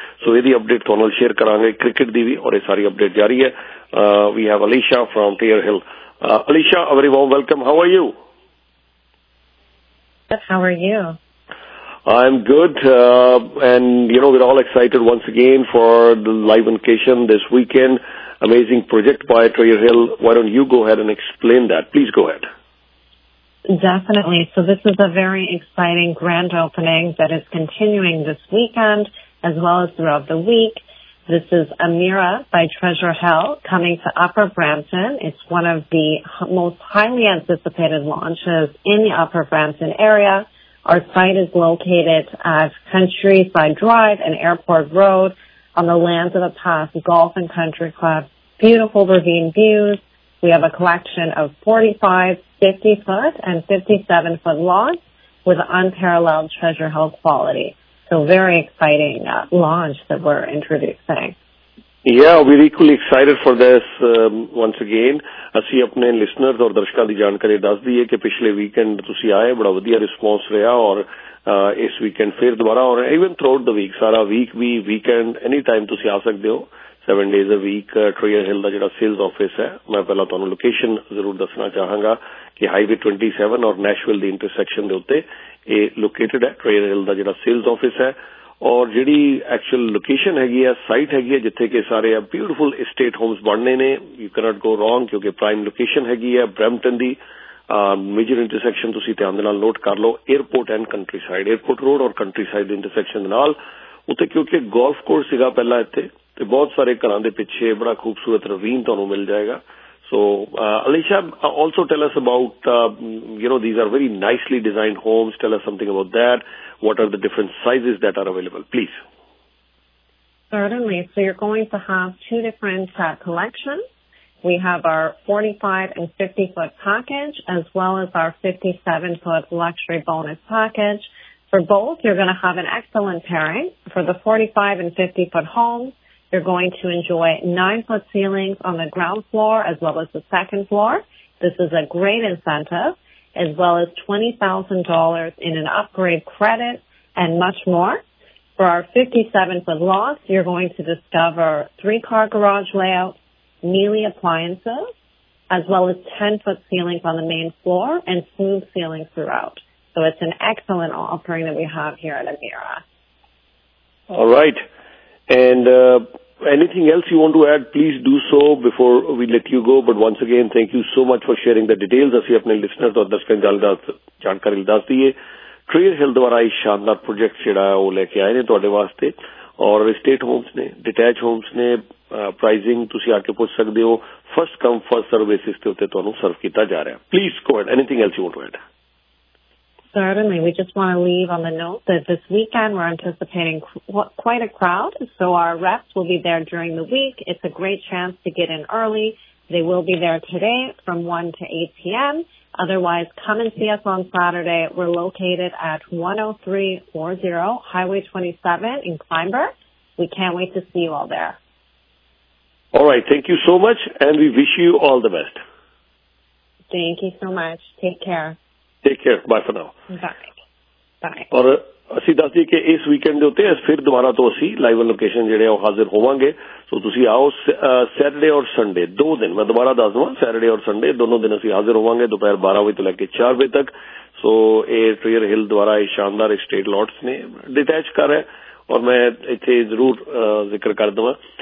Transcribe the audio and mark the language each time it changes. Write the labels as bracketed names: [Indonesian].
[Punjabi] ਸੋ ਇਹਦੀ ਅਪਡੇਟ ਤੁਹਾਨੂੰ ਸ਼ੇਅਰ ਕਰਾਂਗੇ ਕ੍ਰਿਕਟ ਦੀ ਵੀ ਔਰ ਇਹ ਸਾਰੀ ਅਪਡੇਟ ਜਾਰੀ ਹੈ [English] We have Alisha from Treasure Hill Alisha a very warm welcome how are you I'm good, and you know, we're all excited once again for the live vacation this weekend. Amazing project by Treasure Hill. Why don't you go ahead and explain that? Please go ahead. Definitely. So this is a very exciting grand opening that is continuing this weekend as well as throughout the week. This is Amira by Treasure Hill coming to Upper Brampton. It's one of the most highly anticipated launches in the Upper Brampton area. Our site is located at Countryside Drive and Airport Road on the lands of the past Golf and Country Club. Beautiful ravine views. We have a collection of 45, 50-foot, and 57-foot lots with unparalleled Treasure Hill quality. So very exciting launch that we're introducing. Yeah, we're equally excited for this once again. [Punjabi] ਅਸੀਂ ਆਪਣੇ listeners ਔਰ ਦਰਸ਼ਕਾਂ ਦੀ ਜਾਣਕਾਰੀ ਦੱਸ ਦਈਏ ਕਿ ਪਿਛਲੇ weekend ਤੁਸੀਂ ਆਏ ਬੜਾ ਵਧੀਆ ਰਿਸਪਾਂਸ ਰਿਹਾ ਔਰ ਇਸ ਵੀਕਐਂਡ ਫਿਰ ਦੁਬਾਰਾ ਔਰ [English] even throughout the week [Punjabi] ਸਾਰਾ ਵੀਕ ਵੀ ਵੀਕਐਂਡ ਐਨੀ ਟਾਈਮ ਤੁਸੀਂ ਆ ਸਕਦੇ ਹੋ 7 ਡੇਜ਼ ਅ ਵੀਕ ਟ੍ਰੀਅਰ ਹਿੱਲ ਦਾ ਜਿਹੜਾ ਸੇਲਸ ਆਫਿਸ ਹੈ ਮੈਂ ਪਹਿਲਾਂ ਤੁਹਾਨੂੰ ਲੋਕੇਸ਼ਨ ਜ਼ਰੂਰ ਦੱਸਣਾ ਚਾਹਾਂਗਾ ਕਿ ਹਾਈਵੇ 27 ਔਰ ਨੈਸ਼ਵਿਲ ਦੀ ਇੰਟਰਸੈਕਸ਼ਨ ਦੇ ਉੱਤੇ ਇਹ ਲੋਕੇਟਡ ਹੈ ਟ੍ਰੀਅਰ ਹਿੱਲ ਦਾ ਜਿਹੜਾ ਸੇਲਸ ਆਫਿਸ ਹੈ ਔਰ ਜਿਹੜੀ ਐਕਚੁਅਲ ਲੋਕੇਸ਼ਨ ਹੈਗੀ ਹੈ ਸਾਈਟ ਹੈਗੀ ਹੈ ਜਿੱਥੇ ਕਿ ਸਾਰੇ ਬਿਊਟੀਫੁਲ ਇਸਟੇਟ ਹੋਮਸ ਬਣਨੇ ਨੇ [English] you cannot go wrong [Punjabi] ਕਿਉਂਕਿ ਪ੍ਰਾਈਮ ਲੋਕੇਸ਼ਨ ਹੈਗੀ ਹੈ ਬ੍ਰੈਂਪਟਨ ਦੀ ਮੇਜਰ ਇੰਟਰਸੈਕਸ਼ਨ ਤੁਸੀਂ ਧਿਆਨ ਦੇ ਨਾਲ ਨੋਟ ਕਰ ਲਓ airport and country side airport road ਔਰ ਕੰਟਰੀ ਸਾਈਡ ਦੇ ਇੰਟਰਸੈਕਸ਼ਨ ਦੇ ਨਾਲ ਉੱਥੇ ਕਿਉਂਕਿ ਗੋਲਫ ਕੋਰਸ ਸੀਗਾ ਪਹਿਲਾਂ ਇੱਥੇ ਤੇ ਬਹੁਤ ਸਾਰੇ ਘਰਾਂ ਦੇ ਪਿੱਛੇ ਬੜਾ ਖੂਬਸੂਰਤ ਰਵੀਨ ਤੁਹਾਨੂੰ ਮਿਲ ਜਾਏਗਾ [English] So Alisha also tell us about you know these are very nicely designed homes tell us something about that what are the different sizes that are available please Certainly. So you're going to have two different collections. We have our 45 and 50-foot package as well as our 57-foot luxury bonus package. For both, you're going to have an excellent pairing. For the 45 and 50-foot homes, you're going to enjoy 9-foot ceilings on the ground floor as well as the second floor. This is a great incentive, as well as $20,000 in an upgrade credit and much more. For our 57-foot lots, you're going to discover three-car garage layout, Miele appliances, as well as 10-foot ceilings on the main floor and smooth ceilings throughout. So it's an excellent offering that we have here at Amira. All right. And anything else you want to add, please do so before we let you go. But once again, thank you so much for sharing the details. As you have your listeners, or [Punjabi] darshakan jankari das diye. ਟ੍ਰੀਅਰ ਹਿੱਲ ਦੁਆਰਾ ਇਹ ਸ਼ਾਨਦਾਰ project ਜਿਹੜਾ ਉਹ ਲੈ ਕੇ ਆਏ ਨੇ ਤੁਹਾਡੇ ਵਾਸਤੇ ਔਰ ਸਟੇਟ ਹੋਮਸ ਨੇ ਡਿਟੈਚ ਹੋਮਸ ਨੇ ਪ੍ਰਾਈਜ਼ਿੰਗ ਤੁਸੀਂ ਆ ਕੇ ਪੁੱਛ ਸਕਦੇ ਹੋ ਫਸਟ ਕਮ ਫਸਟ ਸਰਵ ਬੇਸਿਸ ਤੇ ਉੱਤੇ ਤੁਹਾਨੂੰ ਸਰਵ ਕੀਤਾ ਜਾ ਰਿਹਾ [English] Please go and anything else you want to add Certainly, we just want to leave on the note that this weekend we're anticipating quite a crowd, so our reps will be there during the week. It's a great chance to get in early. They will be there today from 1 to 8 p.m. Otherwise, come and see us on Saturday. We're located at 10340 Highway 27 in Kleinberg. We can't wait to see you all there. All right. Thank you so much, and we wish you all the best. Thank you so much. Take care. Take care. Bye for now. Bye. [Punjabi] ਸਾਰੇ। ਔਰ ਅਸੀਂ ਦੱਸ ਦਈਏ ਕਿ ਇਸ weekend ਦੇ ਉੱਤੇ ਫਿਰ ਦੁਬਾਰਾ ਤੋਂ ਅਸੀਂ ਲਾਈਵ ਲੋਕੇਸ਼ਨ ਜਿਹੜੇ ਆ ਉਹ ਹਾਜ਼ਰ ਹੋਵਾਂਗੇ। ਸੋ ਤੁਸੀਂ ਆਓ ਸੈਟਰਡੇ ਔਰ ਸੰਡੇ ਦੋ ਦਿਨ, ਮੈਂ ਦੁਬਾਰਾ ਦੱਸ ਦਵਾਂ, ਸੈਟਰਡੇ ਔਰ ਸੰਡੇ ਦੋਨੋਂ ਦਿਨ ਅਸੀਂ ਹਾਜ਼ਰ ਹੋਵਾਂਗੇ ਦੁਪਹਿਰ 12 ਵਜੇ ਤੋਂ ਲੈ ਕੇ 4 ਵਜੇ ਤੱਕ। ਸੋ ਇਹ ਟ੍ਰੀਅਰ ਹਿੱਲ ਦੁਆਰਾ ਇਹ ਸ਼ਾਨਦਾਰ ਸਟੇਟ ਲੋਟਸ ਨੇ ਡਿਟੈਚ ਕਰ ਰਿਹਾ ਔਰ ਮੈਂ ਇੱਥੇ ਜ਼ਰੂਰ ਜ਼ਿਕਰ ਕਰ ਦਵਾਂ।